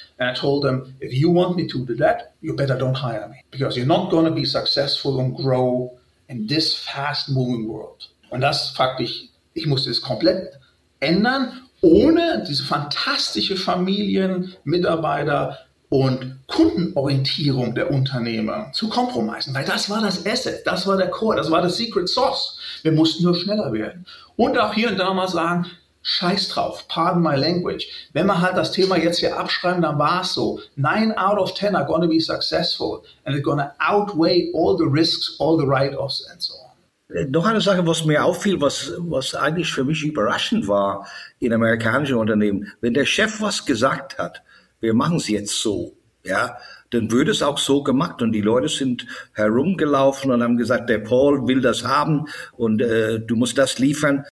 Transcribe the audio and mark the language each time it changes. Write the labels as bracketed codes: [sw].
[en] And I told him, if you want me to do that, you better don't hire me. Because you're not going to be successful and grow in this fast moving world. [de] Und das faktisch. Ich musste es komplett ändern, ohne diese fantastische Familien-, Mitarbeiter- und Kundenorientierung der Unternehmer zu kompromissen. Weil das war das Asset, das war der Core, das war das Secret Sauce. Wir mussten nur schneller werden. Und auch hier und da mal sagen, scheiß drauf, [en] pardon my language. [de] Wenn wir halt das Thema jetzt hier abschreiben, dann war es so. [en] 9 out of 10 are going to be successful and they're going to outweigh all the risks, all the write-offs and so. [de] Noch eine Sache, was mir auffiel, was eigentlich für mich überraschend war in amerikanischen Unternehmen. Wenn der Chef was gesagt hat, wir machen es jetzt so, ja, dann wird es auch so gemacht. Und die Leute sind herumgelaufen und haben gesagt, der Paul will das haben und du musst das liefern.